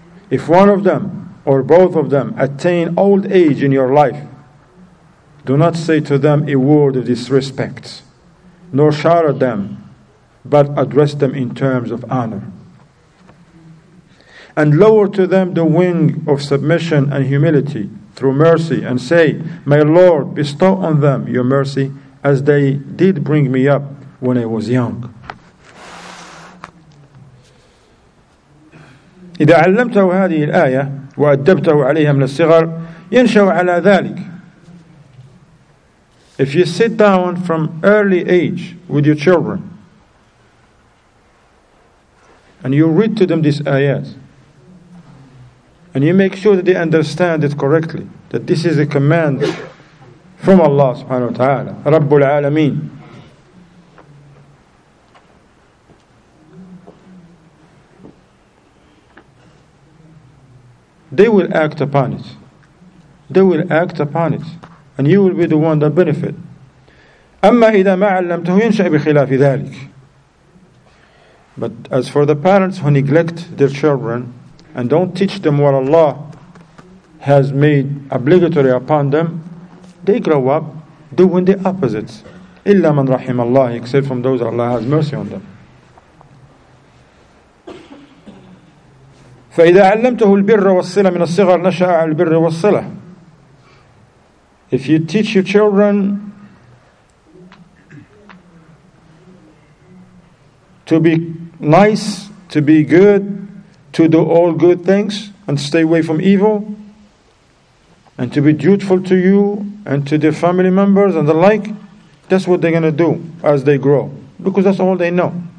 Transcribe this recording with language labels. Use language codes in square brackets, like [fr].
[en] If one of them or both of them attain old age in your life, do not say to them a word of disrespect, nor shout at them, but address them in terms of honor. And lower to them the wing of submission and humility through mercy, and say, my Lord, bestow on them your mercy as they did bring me up when I was young. [ar] إذا علمته هذه الآية وأدبته عليها من الصغر ينشأ على ذلك. [en] If you sit down from early age with your children and you read to them these ayat, and you make sure that they understand it correctly, that this is a command from Allah subhanahu wa ta'ala, Rabbul Alameen. They will act upon it. They will act upon it. And you will be the one that benefit. [ar] أَمَّا إِذَا مَا عَلَّمْتَهُ يَنْشَأْ بِخِلَافِ ذَلِكَ. [en] But as for the parents who neglect their children and don't teach them what Allah has made obligatory upon them, they grow up doing the opposite. [ar] إِلَّا مَنْ رَحِمَ اللَّهِ, [en] except from those that Allah has mercy on them. [ar] فإذا علمته البر والصلة من الصغر نشأ على البر والصلة. [en] If you teach your children to be nice, to be good, to do all good things and stay away from evil, and to be dutiful to you and to their family members and the like, that's what they're going to do as they grow, because that's all they know.